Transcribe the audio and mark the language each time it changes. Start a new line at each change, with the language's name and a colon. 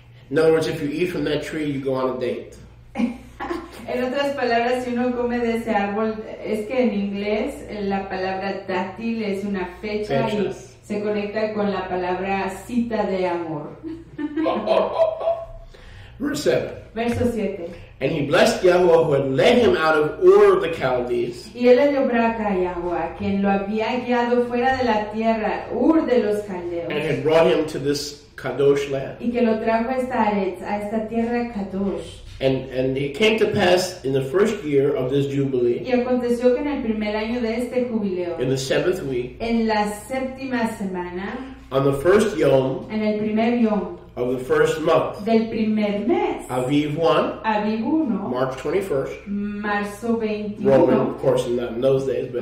English: In other words, if you eat from that tree, you go on a date.
Spanish: En otras palabras, si uno come de ese árbol, es que en inglés la palabra dátil es una fecha. Fechas. Y se conecta con la palabra cita de amor.
English: Verse 7.
Spanish: Verso 7.
English: And he blessed Yahuwah who had led him out of Ur of the Chaldees.
Spanish: Y él le dio braca a Yahuwah, quien lo había guiado fuera de la tierra, Ur de los Caldeos.
English: And had brought him to this Kadosh land.
Spanish: Y que lo trajo a esta tierra Kadosh.
English: And it came to pass in the first year of this Jubilee.
Spanish: Y aconteció que en el primer año de este jubileo.
English: In the seventh week.
Spanish: En la séptima semana.
English: On the first Yom.
Spanish: En el primer Yom.
English: Of the first month.
Spanish: Del primer mes.
English: Aviv 1.
Spanish: Aviv 1.
English: March 21st.
Spanish: Marzo 21.
English: Roman, of course, not in those days. But